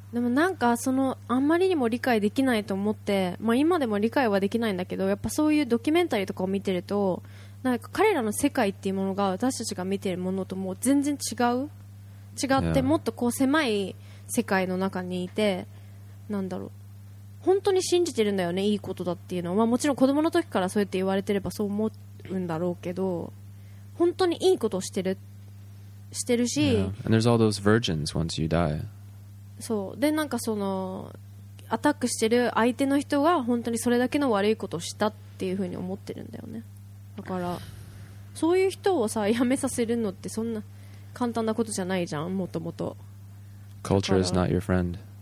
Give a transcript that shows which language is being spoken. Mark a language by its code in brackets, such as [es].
[ja] でもなんかそのあんまりにも理解できないと思って、まあ今でも理解はできないんだけど、やっぱそういうドキュメンタリーとかを見てると、なんか彼らの世界っていうものが私たちが見てるものともう全然違う。違ってもっとこう狭い世界の中にいて、なんだろう、本当に信じてるんだよね、いいことだっていうのは、まあ、もちろん子供の時からそうやって言われてればそう思うんだろうけど、本当にいいことをしてるし、 [en] And there's all those virgins once you die. [ja] そうで、なんかそのアタックしてる相手の人が本当にそれだけの悪いことをしたっていうふうに思ってるんだよね。だからそういう人をさ、やめさせるのってそんな簡単なことじゃないじゃん、もともと。 [en] culture is not your friend.